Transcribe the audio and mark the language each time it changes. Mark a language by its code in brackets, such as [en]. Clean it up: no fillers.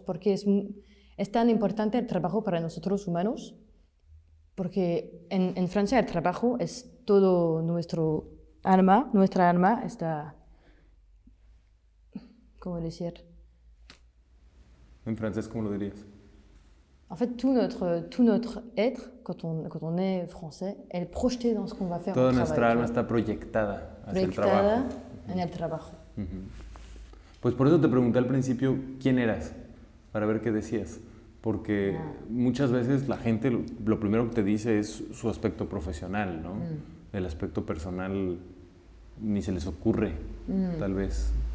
[es] ¿Por qué es tan importante el trabajo para nosotros humanos? Porque en Francia el trabajo es todo nuestro alma. Nuestra alma está... ¿Cómo decir? En francés, ¿cómo lo dirías? [fr] En fait, tout notre être, quand on est français, est projeté dans ce qu'on va faire. [es] Toda nuestra alma está proyectada hacia el trabajo. Proyectada en el trabajo. Uh-huh. Pues por eso te pregunté al principio quién eras, para ver qué decías. Porque muchas veces la gente lo primero que te dice es su aspecto profesional, ¿no? Mm. El aspecto personal ni se les ocurre, tal vez.